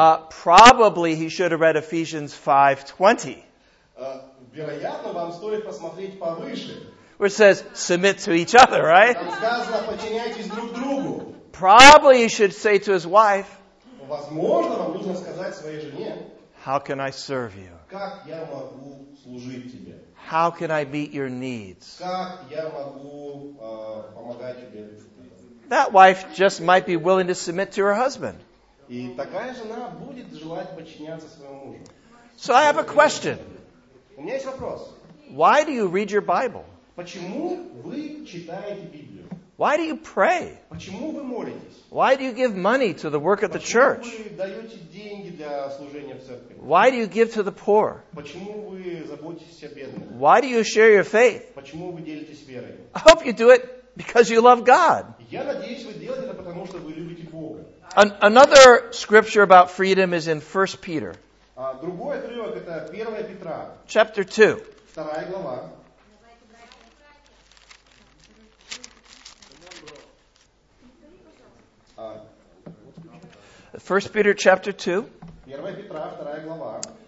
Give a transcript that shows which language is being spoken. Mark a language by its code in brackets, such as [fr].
[en] Probably he should have read Ephesians 5:20. [ru] Вероятно, вам стоит посмотреть повыше. [en] Which says, submit to each other, right? [ru] Там сказано, подчиняйтесь друг другу. [en] Probably he should say to his wife, [ru] возможно, вам нужно сказать своей жене, [en] how can I serve you? [ru] Как я могу служить тебе? [en] How can I meet your needs? [ru] Как я могу, помогать тебе? [en] That wife just might be willing to submit to her husband. [ru] И такая жена будет желать подчиняться своему мужу. [en] So I have a question. [ru] У меня есть вопрос. [en] Why do you read your Bible? [ru] Почему вы читаете Библию? [en] Why do you pray? [ru] Почему вы молитесь? [en] Why do you give money to the work of the church? [ru] Почему вы даете деньги для служения в церкви? [en] Why do you give to the poor? [ru] Почему вы заботитесь о бедных? [en] Why do you share your faith? [ru] Почему вы делитесь верой? [en] I hope you do it because you love God. [ru] Я надеюсь, вы делаете это потому, что вы любите Бога. [en] Another scripture about freedom is in 1 Peter. [ru] Другой отрывок это 1 Петра. [en] Chapter 2. [ru] Вторая глава. [en] First Peter chapter 2. [ru] Первая Петра, вторая глава.